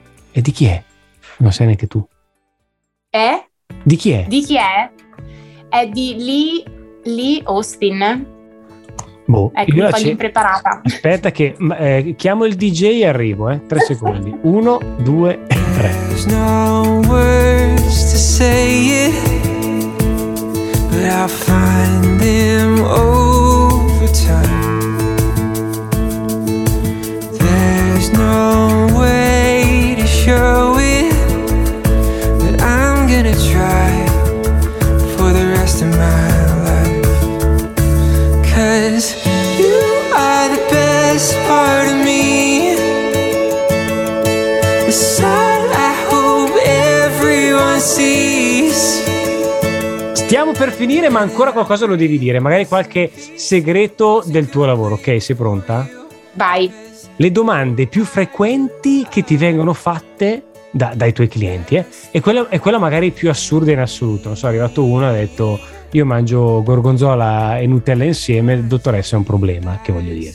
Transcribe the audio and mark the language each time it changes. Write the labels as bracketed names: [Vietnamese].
[Italian] E di chi è? Non sai neanche tu. Di chi è? Di chi è? È di Lee Austin. Ecco, un po' impreparata. Aspetta che chiamo il DJ e arrivo, tre secondi. Uno, due, tre. [English] There's no words to say it, but I find them over time. No way to show it, but I'm gonna try for the rest of my life. 'Cause you are the best part of me, the sun I hope everyone sees. [Italian] Stiamo per finire, ma ancora qualcosa lo devi dire, magari qualche segreto del tuo lavoro. Ok, sei pronta? Vai. Le domande più frequenti che ti vengono fatte dai tuoi clienti, è quella magari più assurda in assoluto. Non so, è arrivato uno e ha detto: io mangio gorgonzola e Nutella insieme, dottoressa, è un problema, che voglio dire.